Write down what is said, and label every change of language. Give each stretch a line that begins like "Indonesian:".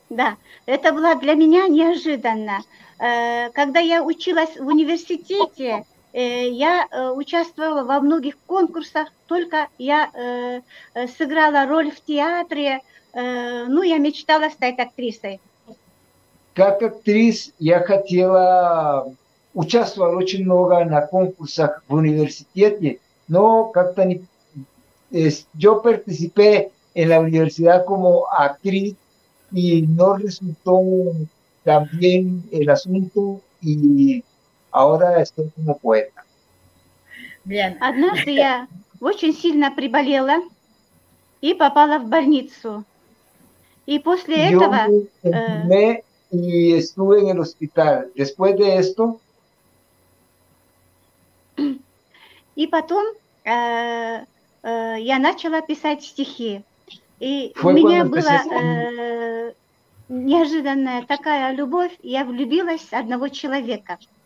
Russian: Да, это было для меня неожиданно. Когда я училась в университете, я участвовала во многих конкурсах, только я сыграла роль в театре, ну, я мечтала стать актрисой. Как актрис я хотела участвовать очень много на конкурсах в университете, но как-то не...
Spanish: Я participé en la universidad como actriz, y no resultó tan bien el asunto, y ahora estoy como poeta. Bien.
Russian: Однажды я очень сильно приболела и попала в больницу. И после этого...
Spanish: Yo me enfermé y estuve en el hospital. Después de esto...
Russian: Y потом я начала писать стихи. И
Spanish: Fue
Russian: у меня была неожиданная такая любовь. Я влюбилась в одного человека.